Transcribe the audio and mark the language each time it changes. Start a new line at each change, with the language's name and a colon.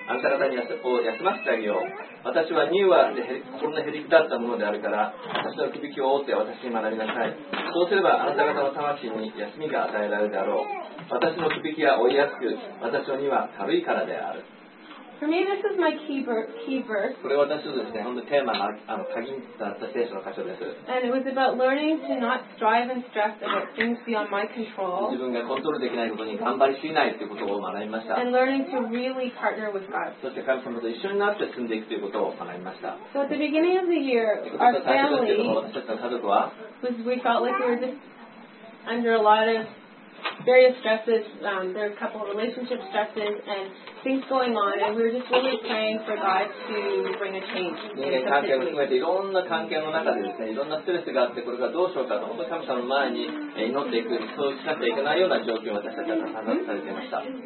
Japanese: あんた方に休ませてあげよう。私は柔和で心のへりくだったものであるから、私の響きを負って私に学びなさい。そうすればあんた方の魂に休みが与えられるであろう。私の響きは負いやすく、私の荷は軽いからである。
English: For me, this is my key verse.
Japanese: これは私のですね、本当にテーマの鍵だった聖書の箇所です。
English: And it was about learning to not strive and stress about things beyond my control.
Japanese: 自分がコントロールできないことに頑張りすぎないということを学びました。
English: And learning to really partner with God.
Japanese: そして神様と一緒になって進んでいくということを学びました。
English: So at the beginning of the year, our family,
Japanese: 私たちの家族は、
English: was we felt like we were just under a lot of various stresses. There are a couple of relationship stresses and things going on, and we're just really praying for God to bring a change.
Japanese: 人間関係を含めていろんな関係の中でですね、いろんなストレスがあって、これからどうしようかと、本当に神様の前に祈っていく、そうしなきゃいけないような状況を私たちは判断されていました。